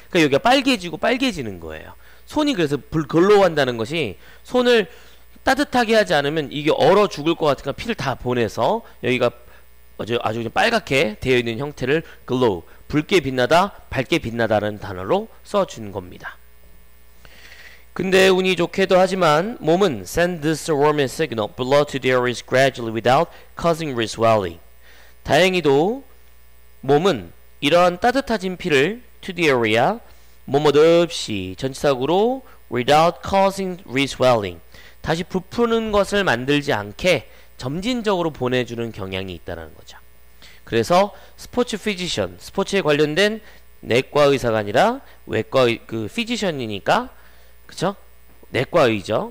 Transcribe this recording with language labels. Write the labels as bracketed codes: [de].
[ko] 그러니까 여기가 빨개지고 빨개지는 거예요. 손이 그래서 글로우한다는 것이 손을 따뜻하게 하지 않으면 이게 얼어 죽을 것 같으니까 피를 다 보내서 여기가 아주 빨갛게 되어 있는 형태를 글로우, 붉게 빛나다, 밝게 빛나다라는 단어로 써준 겁니다. 근데 운이 좋게도 하지만 몸은 [en] send this warming signal blood to the areas gradually without causing re-swelling. [ko] 다행히도 몸은 이러한 따뜻해진 피를 to the area 머뭇없이 전치사구로 [en] without causing re-swelling, [ko] 다시 부푸는 것을 만들지 않게 점진적으로 보내주는 경향이 있다는 거죠. 그래서 스포츠 피지션, 스포츠에 관련된 내과 의사가 아니라 외과 그 피지션이니까, 그쵸? 내과 의죠.